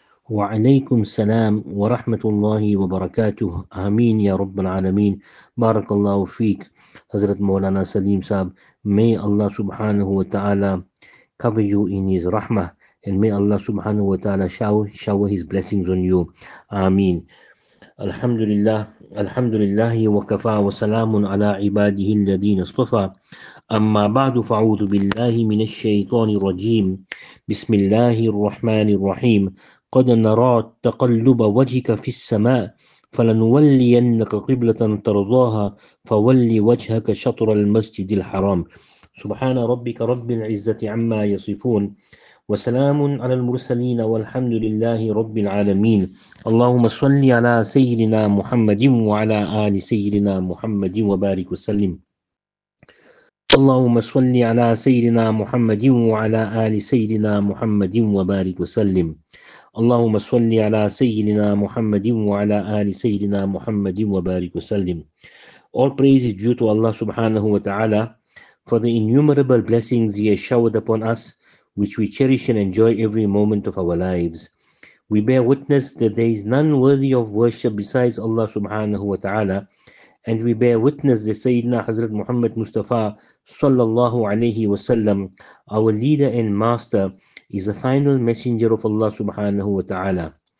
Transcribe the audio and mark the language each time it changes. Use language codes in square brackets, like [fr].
[ar] وعليكم السلام ورحمة الله وبركاته. آمين يا رب العالمين. بارك الله فيك حضرت مولانا سليم صاحب. [en] May Allah [ar] سبحانه وتعالى [en] cover you in his rahmah, and may Allah سبحانه وتعالى shower his blessings on you. [ar] آمين. الحمد لله الحمد لله وكفى وسلام على عباده الذين اصطفى. أما بعد فأعوذ بالله من الشيطان الرجيم. بسم الله الرحمن الرحيم. قد نرى تقلب وجهك في السماء فلنولينك قبلة ترضاها فول وجهك شطر المسجد الحرام. سبحان ربك رب العزة عما يصفون وسلام على المرسلين والحمد لله رب العالمين. اللهم صل على سيدنا محمد وعلى آل سيدنا محمد وبارك وسلم. اللهم صل على سيدنا محمد وعلى آل سيدنا محمد وبارك وسلم. اللهم صل على سيدنا محمد وعلى آل سيدنا محمد وبارك وسلم. [en] All praise is due to Allah subhanahu wa ta'ala for the innumerable blessings He has showered upon us, which we cherish and enjoy every moment of our lives. We bear witness that there is none worthy of worship besides Allah subhanahu wa ta'ala, and we bear witness that Sayyidina Hazrat Muhammad Mustafa sallallahu alayhi wa sallam, our leader and master, is the final messenger of Allah subhanahu wa ta'ala.